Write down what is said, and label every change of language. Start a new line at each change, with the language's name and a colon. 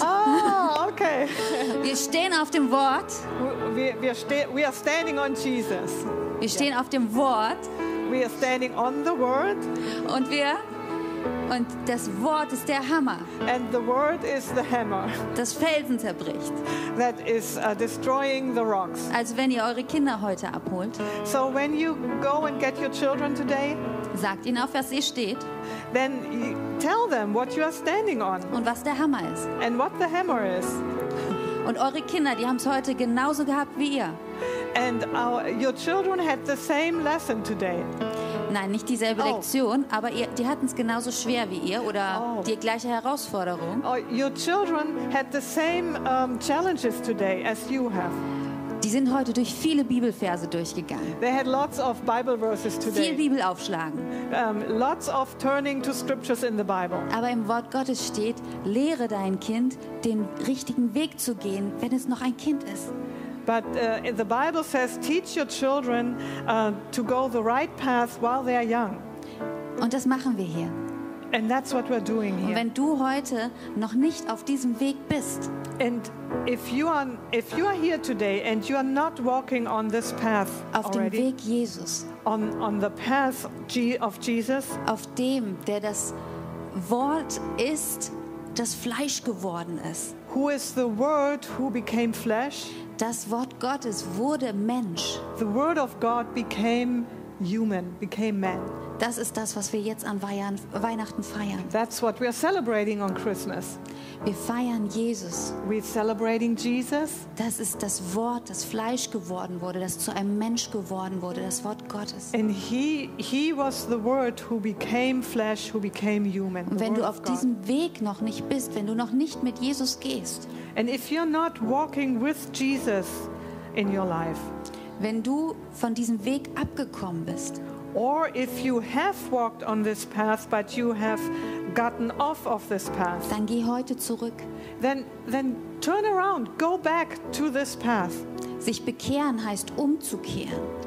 English: Oh, okay.
German: Wir stehen auf dem Wort.
English: We are standing on Jesus.
German: Wir stehen auf dem Wort.
English: We are standing on the word.
German: Und das Wort ist der Hammer.
English: And the word is the hammer.
German: Das Felsen zerbricht.
English: That is destroying the rocks.
German: Also wenn ihr eure Kinder heute abholt.
English: So when you go and get your children today.
German: Sagt ihnen auf was ihr steht.
English: Then tell them what you are standing on.
German: Und was der Hammer ist.
English: And what the hammer is.
German: Und eure Kinder, die haben es heute genauso gehabt wie ihr.
English: And your children had the same lesson today.
German: Nein, nicht dieselbe Lektion, aber die hatten es genauso schwer wie ihr oder die gleiche Herausforderung.
English: Your children had the same challenges today as you have.
German: Die sind heute durch viele Bibelverse durchgegangen.
English: They had lots of Bible verses today.
German: Viel Bibel aufschlagen.
English: Lots of turning to scriptures in the Bible.
German: Aber im Wort Gottes steht, lehre dein Kind, den richtigen Weg zu gehen, wenn es noch ein Kind ist.
English: But the Bible says, teach your children to go the right path while they are young.
German: Und das machen wir hier.
English: And that's what we're doing here.
German: Und wenn du heute noch nicht auf diesem Weg bist.
English: And if you are here today and you are not walking on this path
German: auf
English: already.
German: Auf dem Weg Jesus.
English: On the path of Jesus.
German: Auf dem, der das Wort ist, das Fleisch geworden ist.
English: Who is the Word who became flesh?
German: Das Wort Gottes wurde Mensch.
English: The Word of God became human, became man.
German: Das ist das, was wir jetzt an Weihnachten feiern.
English: That's what we are celebrating on Christmas.
German: Wir feiern Jesus.
English: We're celebrating Jesus.
German: Das ist das Wort, das Fleisch geworden wurde, das zu einem Mensch geworden wurde, das Wort Gottes.
English: And he was the Word who became flesh, who became human.
German: Und wenn du auf diesem Weg noch nicht bist, wenn du noch nicht mit Jesus gehst.
English: And if you're not walking with Jesus in your life.
German: Wenn du von diesem Weg abgekommen bist.
English: Or if you have walked on this path, but you have gotten off of this path.
German: Dann geh heute zurück.
English: Then turn around, go back to this path.
German: Sich bekehren heißt umzukehren.